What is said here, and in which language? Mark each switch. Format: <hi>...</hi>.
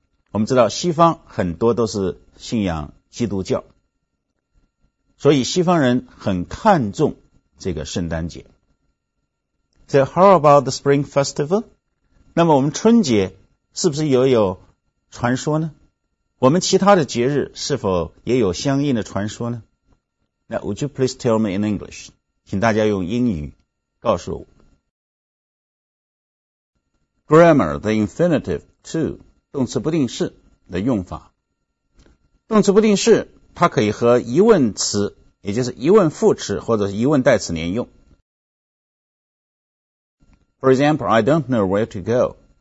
<zh>我们知道西方很多都是信仰基督教，所以西方人很看重这个圣诞节。</zh> <en>So how about the Spring Festival?</en> <zh>那么我们春节是不是也有传说呢？我们其他的节日是否也有相应的传说呢？</zh> <en>Now would you please tell me in English?</en> <zh>请大家用英语告诉我。</zh> <en>Grammar, the infinitive, too,</en> <zh>动词不定式的用法。动词不定式它可以和疑问词，也就是疑问副词或者是疑问代词连用。</zh> <en>For example, I don't know where to go.</en>